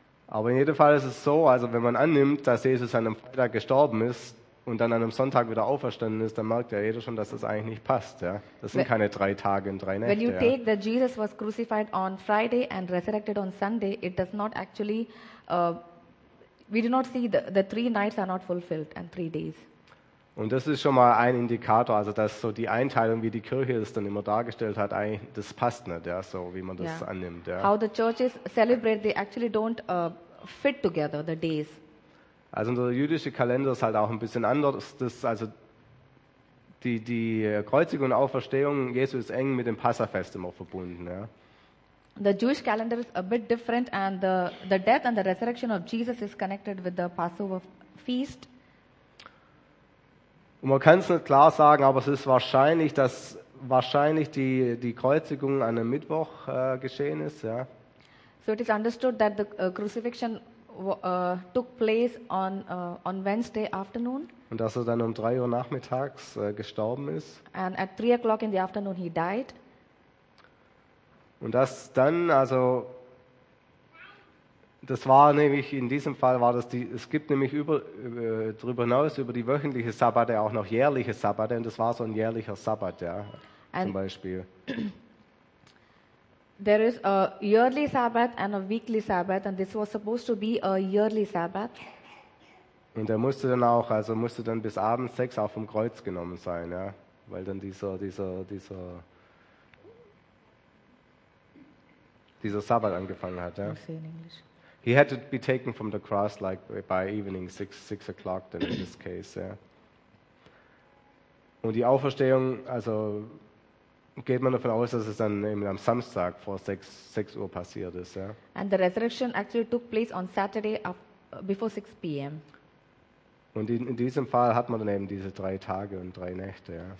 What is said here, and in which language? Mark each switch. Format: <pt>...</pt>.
<de>Aber in jedem Fall ist es so, also wenn man annimmt, dass Jesus an einem Freitag gestorben ist, und dann an einem Sonntag wieder auferstanden ist, dann merkt ja jeder schon, dass das eigentlich nicht passt. Ja? Das sind keine 3 Tage und 3 Nächte.</de> <en>When you</en> <de>ja.</de> <en>take that Jesus was crucified on Friday and resurrected on Sunday, it does not actually, we do not see the 3 nights are not fulfilled and 3 days.</en> <de>Und das ist schon mal ein Indikator, also dass so die Einteilung, wie die Kirche es dann immer dargestellt hat, das passt nicht, ja, so wie man das yeah. annimmt. Ja.</de> <en>How the churches celebrate, they actually don't fit together the days.</en> <de>Also unser jüdischer Kalender ist halt auch ein bisschen anders. Die Kreuzigung und Auferstehung Jesu ist eng mit dem Passafest immer verbunden. Ja.</de> <en>The Jewish calendar is a bit different and the death and the resurrection of Jesus is connected with the Passover feast.</en> <de>Und man kann es nicht klar sagen, aber es ist wahrscheinlich, dass wahrscheinlich die Kreuzigung an einem Mittwoch geschehen ist. Ja.</de> <en>So it is understood that the crucifixion took place on Wednesday afternoon.</en> <de>Und dass er dann um 3 Uhr nachmittags gestorben ist.</de> <en>And at 3 o'clock in the afternoon he died.</en> <de>Und dass dann, also das war nämlich in diesem Fall war das die, es gibt nämlich darüber hinaus über die wöchentliche Sabbate auch noch jährliche Sabbate und das war so ein jährlicher Sabbat, ja, zum Beispiel.</de> <en>There is a yearly Sabbath and a weekly Sabbath, and this was supposed to be a yearly Sabbath.</en> <de>Und er musste dann auch, also musste dann bis abends 6 auch vom Kreuz genommen sein, ja, weil dann dieser Sabbat angefangen hat, ja.</de> <en>In English. He had to be taken from the cross like by evening 6 o'clock. Then in this case, yeah.</en> <de>Und die Auferstehung, also geht man davon aus, dass es dann eben am Samstag vor 6 Uhr passiert ist, ja?</de> <en>And the resurrection actually took place on Saturday before 6 p.m.</en> <de>Und in diesem Fall hat man dann eben diese 3 Tage und 3 Nächte, ja?</de>